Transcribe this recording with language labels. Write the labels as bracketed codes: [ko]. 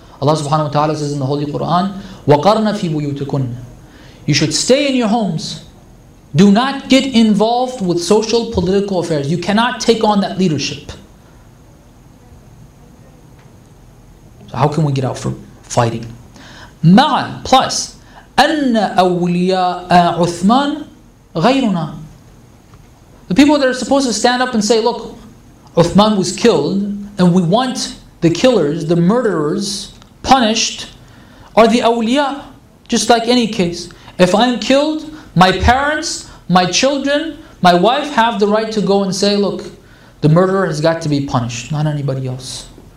[en] Allah subhanahu wa ta'ala says in the Holy Quran, [ar] وَقَرْنَ فِي بُيُوتِكُنَّ. [en] You should stay in your homes. Do not get involved with social political affairs. You cannot take on that leadership. So how can we get out from fighting? [ar] مَعَ plus أَنَّ أَوْلِيَاءَ عُثْمَانَ غَيْرُنَا. [en] The people that are supposed to stand up and say, look, Uthman was killed, and we want the killers, the murderers, punished, are the awliya, just like any case. If I am killed, my parents, my children, my wife have the right to go and say, look, the murderer has got to be punished, not anybody else.